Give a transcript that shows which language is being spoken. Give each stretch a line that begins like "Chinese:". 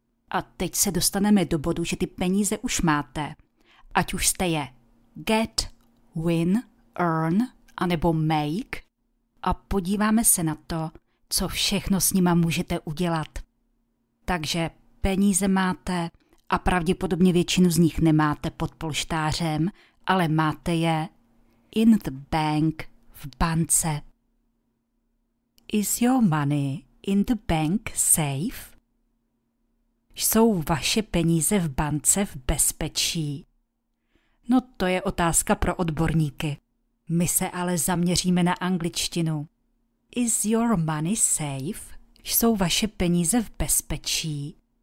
Czech: A teď se dostaneme do bodu, že ty peníze už máte, ať už jste je get, win, earn, anebo make. A podíváme se na to, co všechno s nima můžete udělat. Takže peníze máte a pravděpodobně většinu z nich nemáte pod polštářem, ale máte je
English: in the bank,
Czech: v bance.
English: Is your money in the bank safe?
Czech: Jsou vaše peníze v bance v bezpečí? No, to je otázka pro odborníky. My se ale zaměříme na angličtinu.
English: Is your money safe?
Czech: Jsou vaše peníze v bezpečí?